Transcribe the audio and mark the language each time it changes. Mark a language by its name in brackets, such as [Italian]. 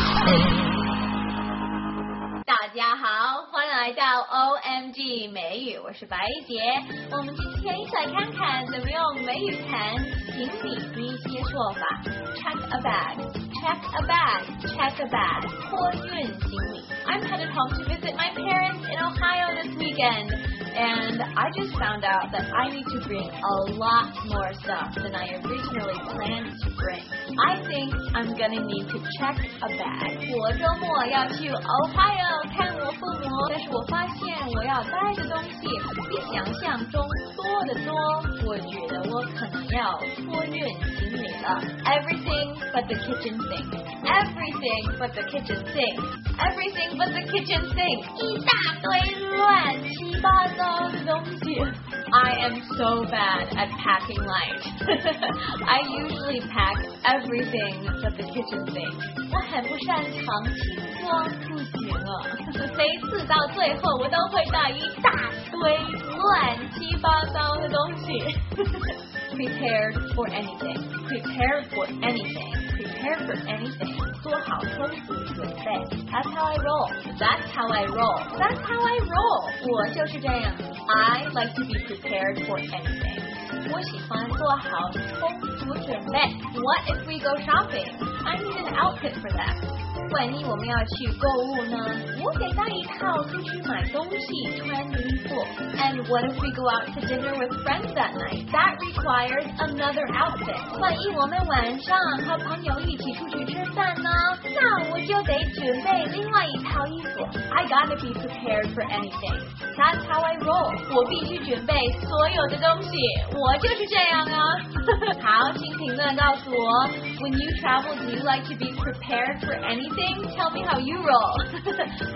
[Chinese] 大家好，欢迎来到 OMG 美语，我是白姐。我们今天一起来看看怎么用美语盘行李的一些说法。 [English] Check a bag, check a bag, check a bag. [Chinese] 托运行李。 [English] I'm headed home to visit my parents in Ohio this weekend. And I just found out that I need to bring a lot more stuff than I originally planned to bring. I think I'm gonna need to check a bag. [Chinese] 我周末要去 Ohio 看我父母，但是我发现我要带的东西比想象中多得多。我觉得我可能要托运行李了。 [English] Everything but the kitchen sink. Everything but the kitchen sink. Everything but the kitchen sink. [Chinese] 一大堆乱七八糟。 [English] I am so bad at packing light. I usually pack everything but the kitchen sink. [Chinese] 我很不擅长提装，不行啊！每次到最后，我都会带一大堆乱七八糟的东西。 [English] Prepared for anything. Prepared for anything. Prepared for anything. [Chinese] 做好充足准备。 [English] That's how I roll. That's how I roll. That's how I roll. [Chinese] 我就是这样。 [English] I like to be prepared for anything. [Chinese] 我喜欢做好充足准备。 [English] What if we go shopping? I need an outfit for that. [Chinese] 万一我们要去购物呢？我得带一套出去买东西穿的衣服。 [English] And what if we go out to dinner with friends that night? That requires another outfit. [Chinese] 万一我们晚上和朋友一起出去吃饭呢？那我就得准备另外一套衣服。 [English] I gotta be prepared for anything. That's how I roll. [Chinese] 我必须准备所有的东西。我就是这样啊。好，请评论告诉我。 [English] When you travel, do you like to be prepared for anything? Tell me how you roll.